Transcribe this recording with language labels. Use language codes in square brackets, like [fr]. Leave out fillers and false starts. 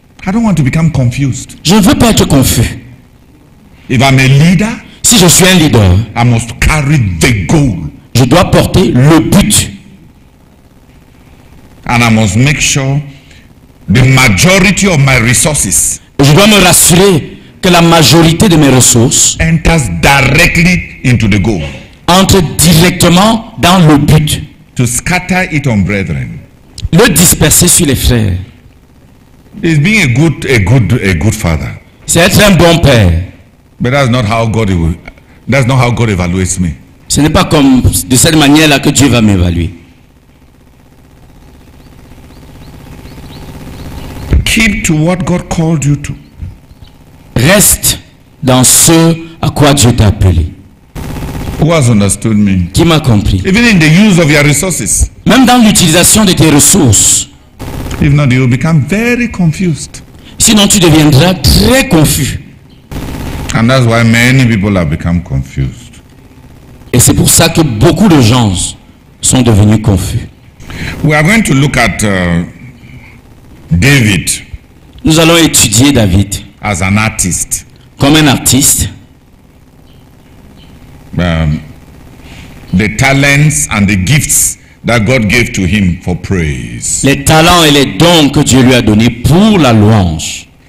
[en] I don't want to become confused. [fr] Je ne veux pas être confus. [en] If I'm a leader, [fr] si je suis un leader, [en] I must carry the goal. [fr] Je dois porter le but. [en] And I must make sure the majority of my resources. [fr] Je dois me rassurer que la majorité de mes ressources [en] enters directly into the goal. [fr] Entre directement dans le but. [en] To scatter it on brethren. [fr] Le disperser sur les frères. [en] It's being a good father. [fr] C'est être un bon père. [en] But that's not how God evaluates me. [fr] Ce n'est pas comme de cette manière-là que Dieu va m'évaluer. [en] Keep to what God called you to. [fr] Reste dans ce à quoi Dieu t'a appelé. [en] Who has understood me? [fr] Qui m'a compris? [en] Even in the use of your resources. [fr] Même dans l'utilisation de tes ressources. [en] If not, you will become very confused. [fr] Sinon, tu deviendras très confus. [en] And that's why many people have become confused. [fr] Et c'est pour ça que beaucoup de gens sont devenus confus. [en] We are going to look at David. [fr] Nous allons étudier David. [en] As an artist. [fr] Comme un artiste. [en] The talents and the gifts that God gave to him for praise. [fr] Les talents et les dons que Dieu lui a donnés pour la louange.